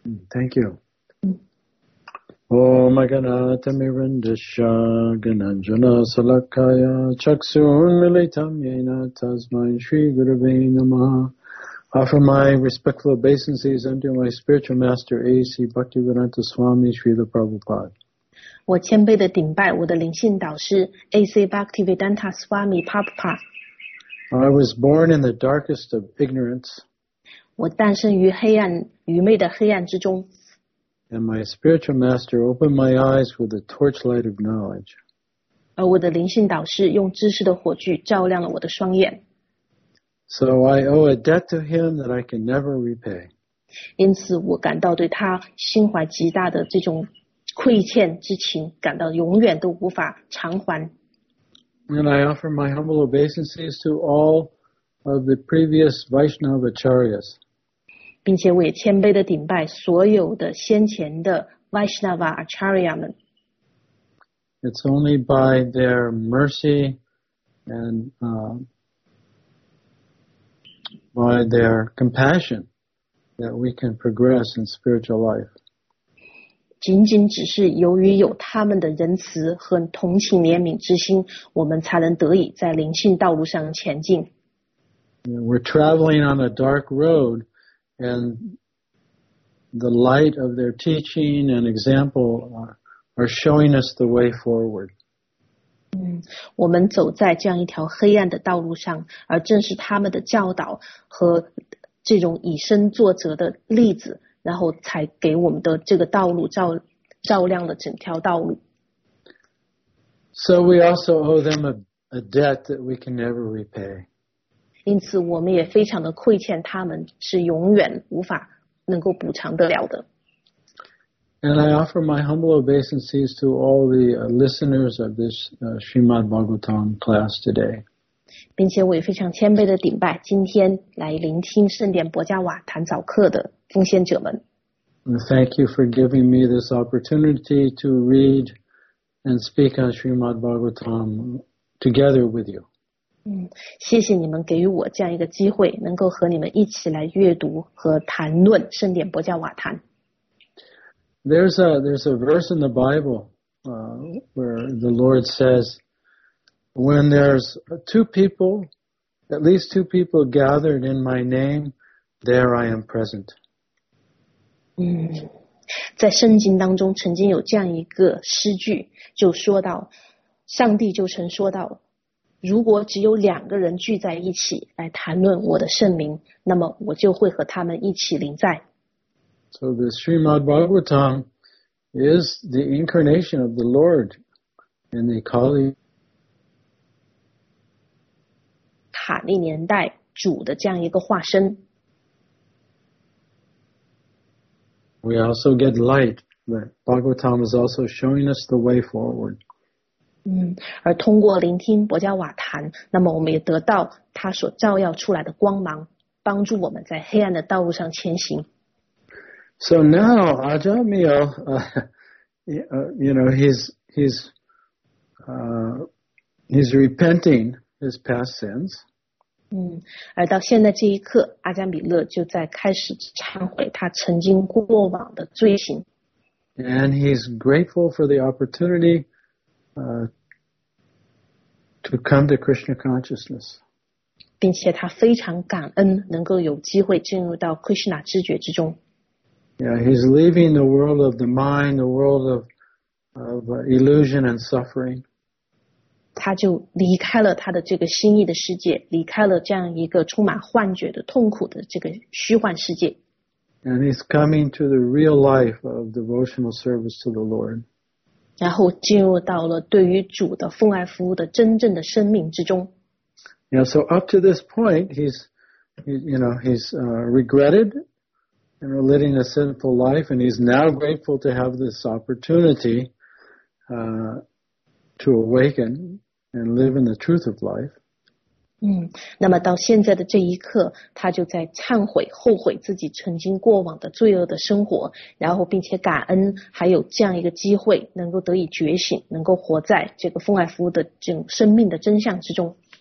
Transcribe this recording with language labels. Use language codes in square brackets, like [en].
[en] Thank you. [sa] Om Aganata Mirandisha Gananjana Salakaya Chaksun Militam Yena Tasmai Shri Gurave Namaha. [en] Offer my respectful obeisances unto my spiritual master, A.C. Bhaktivedanta Swami Srila Prabhupada. [zh] 我谦卑地顶拜我的灵性导师 A.C. Bhaktivedanta Swami Prabhupada. [en] I was born in the darkest of ignorance. [zh] 我诞生于黑暗愚昧的黑暗之中。 [en] And my spiritual master opened my eyes with the torchlight of knowledge. [zh] 而我的灵性导师用知识的火炬照亮了我的双眼。 [en] So I owe a debt to him that I can never repay. [zh] 因此我感到对他心怀极大的这种亏欠之情，感到永远都无法偿还。 [en] And I offer my humble obeisances to all of the previous Vaishnava Acharyas. [zh] 并且我也谦卑地顶拜所有的先前的 Vaishnava Acharya 们。 [en] It's only by their mercy and by their compassion that we can progress in spiritual life. [zh] 仅仅只是由于有他们的仁慈和同情怜悯之心，我们才能得以在灵性道路上前进。 [en] We're traveling on a dark road, and the light of their teaching and example are showing us the way forward. [zh] 我们走在这样一条黑暗的道路上，而正是他们的教导和这种以身作则的例子，然后才给我们的这个道路 照亮了整条道路。 [en] So we also owe them a debt that we can never repay. [zh] 因此我们也非常的亏欠他们，是永远无法能够补偿得了的。 [en] And I offer my humble obeisances to all the listeners of this Srimad Bhagavatam class today. [zh] 并且我也非常谦卑地顶拜今天来聆听圣典博加瓦谈早课的奉献者们。 [en] And thank you for giving me this opportunity to read and speak on Srimad Bhagavatam together with you. [zh] 谢谢你们给予我这样一个机会，能够和你们一起来阅读和谈论圣典博加瓦谈。 [en] There's a verse in the Bible where the Lord says, when there's at least two people gathered in my name, there I am present. [zh] 在圣经当中曾经有这样一个诗句，就说到，上帝就曾说到，如果只有两个人聚在一起来谈论我的圣名，那么我就会和他们一起临在。 [en] So the Srimad Bhagavatam is the incarnation of the Lord in the Kali. [zh] 卡利年代主的这样一个化身。 [en] We also get light that Bhagavatam is also showing us the way forward. [zh] 而通过聆听薄伽瓦坛，那么我们也得到它所照耀出来的光芒，帮助我们在黑暗的道路上前行。 [en] So now, Ajahn Mio, you know, he's repenting his past sins. [zh] 而到现在这一刻，阿迦米勒就在开始忏悔他曾经过往的罪行。 [en] And he's grateful for the opportunity, to come to Krishna consciousness. [zh] 并且他非常感恩能够有机会进入到 Krishna 知觉之中。 [en] Yeah, he's leaving the world of the mind, the world of illusion and suffering. [zh] 他就离开了他的这个心意的世界，离开了这样一个充满幻觉的痛苦的这个虚幻世界。 [en] And he's coming to the real life of devotional service to the Lord. [zh] 然后进入到了对于主的奉爱服务的真正的生命之中。 [en] Yeah, so up to this point, he's regretted. And we're living a sinful life, and he's now grateful to have this opportunity, to awaken and live in the truth of life. [zh] 那么到现在的这一刻，他就在忏悔、后悔自己曾经过往的罪恶的生活，然后并且感恩还有这样一个机会，能够得以觉醒，能够活在这个奉爱服务的这种生命的真相之中。